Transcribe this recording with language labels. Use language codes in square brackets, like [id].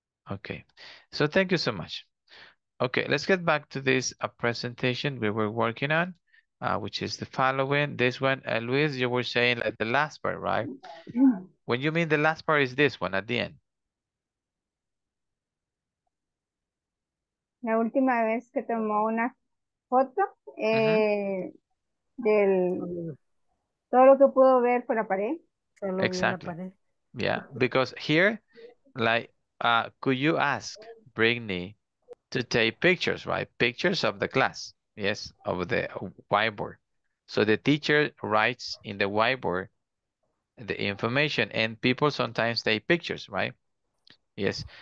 [en] Okay, so thank you so much. Okay, let's get back to this presentation we were working on, which is the following. This one, Luis, you were saying like the last part, right? When you mean the last part is this one at the end. [es] La última vez que tomó una foto del todo lo que pudo ver por la pared. [en] Exactly. Yeah, because here, like, could you ask Brittany to take pictures, right? Pictures of the class, yes, of the whiteboard. So the teacher writes in the whiteboard the information, and people sometimes take pictures, right? Yes.